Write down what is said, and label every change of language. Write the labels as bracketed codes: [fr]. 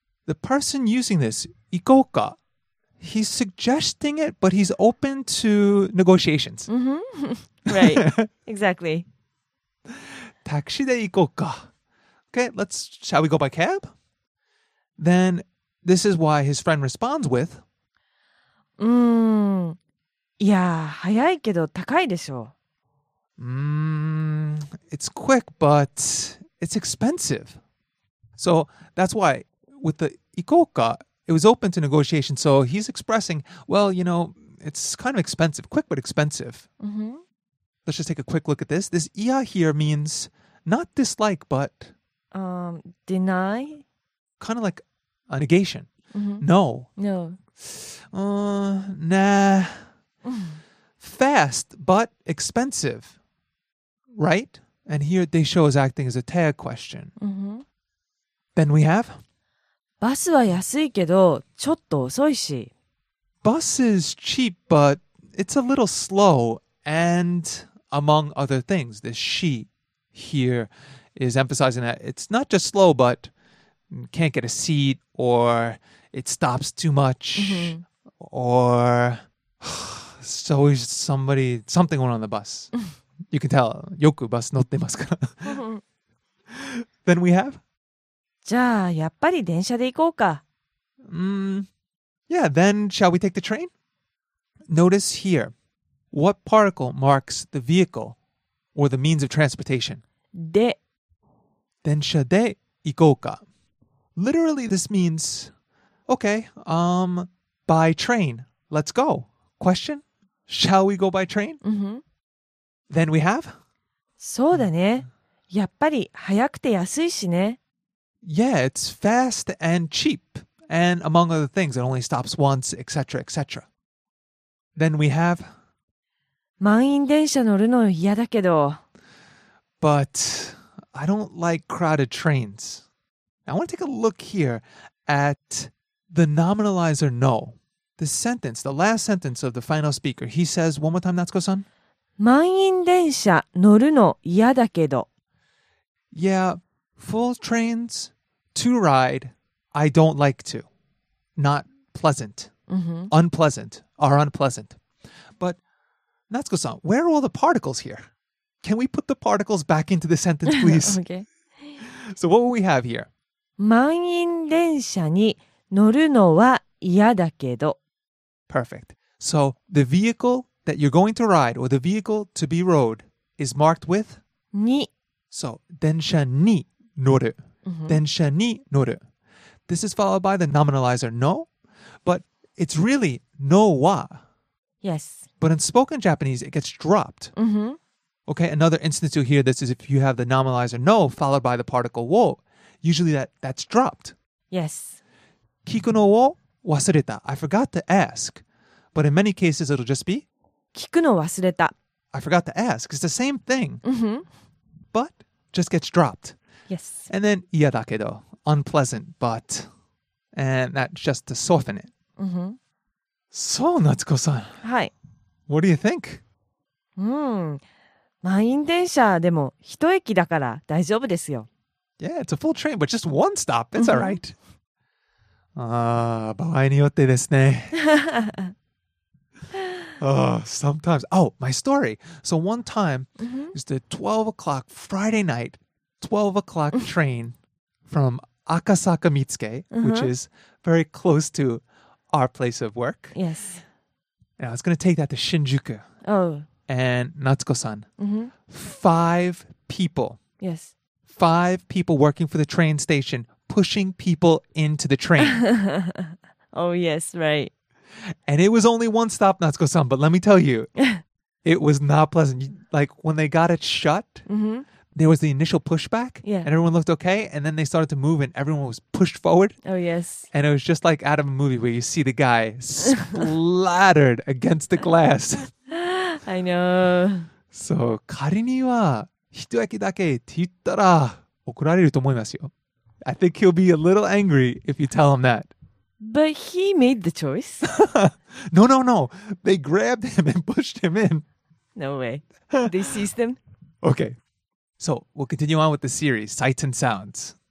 [en] The person using this, [ja] 行こうか, [en] he's suggesting it, but he's open to negotiations. Right, exactly. [ja] タクシーで行こうか。 [en] Okay, let's, shall we go by cab? Then this is why his friend responds with [ja] いや、早いけど高いでしょ。 [en] It's quick, but it's expensive. So that's why with the [ja] 行こうか, [en] it was open to negotiation. So he's expressing, well, you know, it's kind of expensive. Quick, but expensive. Let's just take a quick look at this. This いや here means... Not dislike, but... Deny? Kind of like a negation. No. No. Nah. Fast, but expensive. Right? And here, they show is acting as a tag question. Then we have... [ja] Bus は安いけど、ちょっと遅いし。 [en] Bus is cheap, but it's a little slow. And among other things, this she... Here is emphasizing that it's not just slow, but can't get a seat, or it stops too much, or it's always somebody, something went on the bus. You can tell, [ja] よくバス乗ってますから。 [en] Then we have? [ja] じゃあ、やっぱり電車で行こうか。 [en] Yeah, then shall we take the train? Notice here, what particle marks the vehicle or the means of transportation? [ja] で電車で行こうか [en] Literally, this means, okay, by train, let's go. Question, shall we go by train? Then we have? [ja] そうだね。やっぱり早くて安いしね。 [en] Yeah, it's fast and cheap. And among other things, it only stops once, etc., etc. Then we have? [ja] 満員電車乗るの嫌だけど。 [en] But I don't like crowded trains. I want to take a look here at the nominalizer no. The sentence, the last sentence of the final speaker. He says, one more time, Natsuko-san. [ja] 満員電車乗るの嫌だけど。 [en] Yeah, full trains to ride, I don't like to. Not pleasant. Unpleasant are unpleasant. But Natsuko-san, where are all the particles here? Can we put the particles back into the sentence, please? Okay. So what will we have here? [ja] 満員電車に乗るのは嫌だけど。 [en] Perfect. So the vehicle that you're going to ride or the vehicle to be rode is marked with [ja] ni. So, densha ni noru. Densha ni noru. [en] This is followed by the nominalizer no, but it's really no wa. Yes. But in spoken Japanese, it gets dropped. Mm-hmm. Okay, another instance you'll hear this is if you have the nominalizer no followed by the particle wo. Usually that's dropped. Yes. [ja] Kiku no wo wasureta. [en] I forgot to ask. But in many cases, it'll just be [ja] kiku no wasureta. [en] I forgot to ask. It's the same thing. Mm-hmm. But just gets dropped. Yes. And then [ja] iya dakedo, [en] unpleasant, but. And that's just to soften it. Mm-hmm. So, Natsuko-san. Hi. What do you think? Hmm. [ja] 満員電車でも一駅だから大丈夫ですよ。 [en] Yeah, it's a full train, but just one stop. It's all right. [ja] Ah, 場合によってですね。 [en] sometimes. Oh, my story. So one time, it's the 12 o'clock Friday night, 12 o'clock train from Akasaka Mitsuke, which is very close to our place of work. Yes. And I was going to take that to Shinjuku. Oh. And Natsuko-san. Mm-hmm. Five people. Yes. Five people working for the train station, pushing people into the train. Oh, yes, right. And it was only one stop, Natsuko-san, but let me tell you, it was not pleasant. Like, when they got it shut, there was the initial pushback, and everyone looked okay, and then they started to move, and everyone was pushed forward. Oh, yes. And it was just like out of a movie where you see the guy splattered against the glass. I know. [ja] So, 仮には一駅だけって言ったら怒られると思いますよ。 [en] I think he'll be a little angry if you tell him that. But he made the choice. No, no, no. They grabbed him and pushed him in. No way. They seized him. Okay. So, we'll continue on with the series, Sights and Sounds.